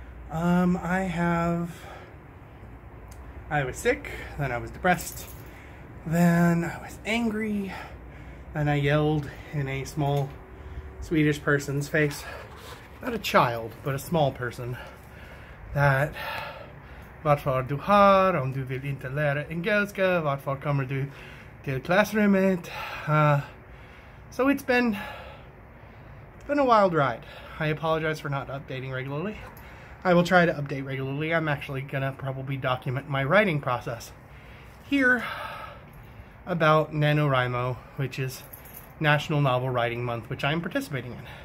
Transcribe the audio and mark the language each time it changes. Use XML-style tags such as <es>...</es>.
<en>I was sick, then I was depressed, then I was angry, then I yelled in a small Swedish person's face. Not a child, but a small person.</en> <sv>That varför du har om du vill inte lära engelska, varför kommer du till klassrummet?</sv> <en>So it's been a wild ride. I apologize for not updating regularly. I will try to update regularly. I'm actually gonna probably document my writing process here about NaNoWriMo, which is National Novel Writing Month, which I am participating in.</en>